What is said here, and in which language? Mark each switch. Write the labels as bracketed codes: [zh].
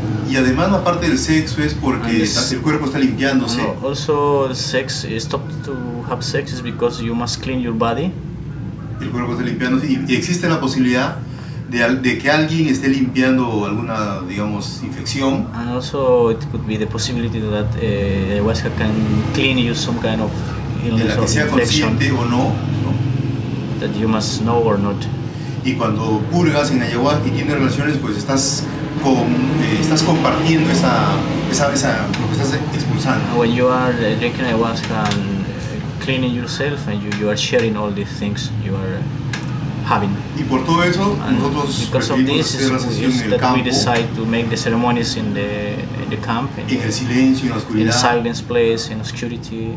[es] Y además la parte del sexo es porque el cuerpo está limpiándose. [en] No, also sex, stop to have sex is because you must clean your body. [es] El cuerpo está limpiándose y existe la posibilidad de que alguien esté limpiando alguna, digamos, infección. [en] And also it could be the possibility that ayahuasca can clean you some kind of [es] de la que sea consciente o no, [en] no. That [es] y cuando purgas en ayahuasca y tienes relaciones, pues estás con, estás compartiendo esa lo que estás expulsando. [en] When you are drinking ayahuasca and cleaning yourself and you are sharing all these things you are having. [es] Y por todo eso and nosotros preferimos hacer la sesión en el campo. [en] We decide to make the ceremonies in the camp, [es] en el silencio, en la oscuridad, [en] in silence place, in obscurity,